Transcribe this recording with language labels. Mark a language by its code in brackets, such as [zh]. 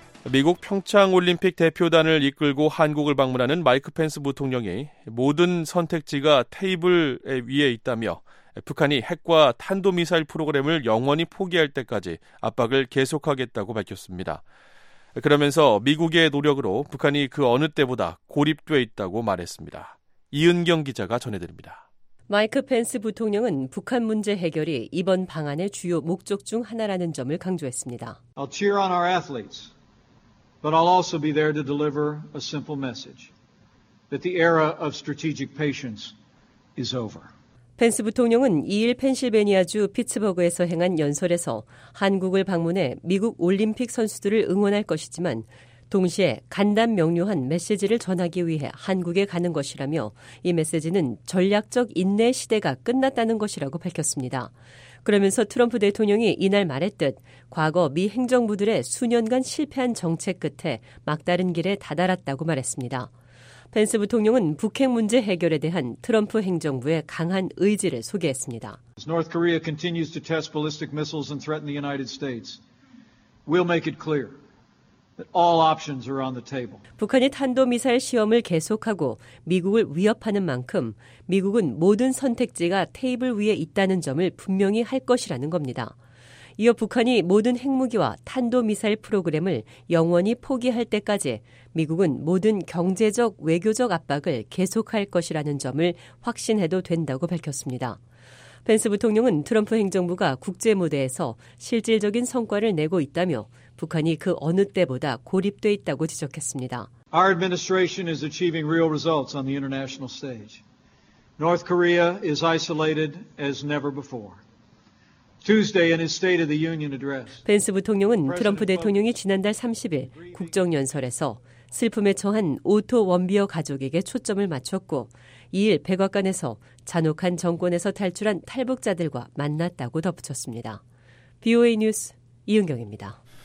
[ko] 미국 평창올림픽 대표단을 이끌고 한국을 방문하는 마이크 펜스 부통령이 모든 선택지가 테이블 위에 있다며 북한이 핵과 탄도미사일 프로그램을 영원히 포기할 때까지 압박을 계속하겠다고 밝혔습니다. 그러면서 미국의 노력으로 북한이 그 어느 때보다 고립돼 있다고 말했습니다. 이은경 기자가 전해드립니다. 마이크 펜스 부통령은 북한 문제 해결이 이번 방안의 주요 목적 중 하나라는 점을 강조했습니다. [en] I'll cheer on our athletes, but I'll also be there to deliver a simple message that the era of strategic patience is over. [ko] 펜스 부통령은 2일 펜실베니아주 피츠버그에서 행한 연설에서 한국을 방문해 미국 올림픽 선수들을 응원할 것이지만 동시에 간단 명료한 메시지를 전하기 위해 한국에 가는 것이라며 이 메시지는 전략적 인내 시대가 끝났다는 것이라고 밝혔습니다. 그러면서 트럼프 대통령이 이날 말했듯 과거 미 행정부들의 수년간 실패한 정책 끝에 막다른 길에 다다랐다고 말했습니다. 펜스 부통령은 북핵 문제 해결에 대한 트럼프 행정부의 강한 의지를 소개했습니다. [en] North Korea continues to test ballistic missiles and threaten the United States. We'll make it clear that all options are on the table. [ko] 북한이 탄도미사일 시험을 계속하고 미국을 위협하는 만큼 미국은 모든 선택지가 테이블 위에 있다는 점을 분명히 할 것이라는 겁니다. 이어 북한이 모든 핵무기와 탄도미사일 프로그램을 영원히 포기할 때까지 미국은 모든 경제적, 외교적 압박을 계속할 것이라는 점을 확신해도 된다고 밝혔습니다. 펜스 부통령은 트럼프 행정부가 국제무대에서 실질적인 성과를 내고 있다며 북한이 그 어느 때보다 고립돼 있다고 지적했습니다. [en] Our administration is achieving real results on the international stage. North Korea is isolated as never before. Tuesday in his State of the Union address. [ko] 펜스 부통령은 트럼프 대통령이 지난달 30일 국정연설에서 슬픔에 처한 오토 원비어 가족에게 초점을 맞췄고 2일 백악관에서 잔혹한 정권에서 탈출한 탈북자들과 만났다고 덧붙였습니다. BOA 뉴스 이은경입니다.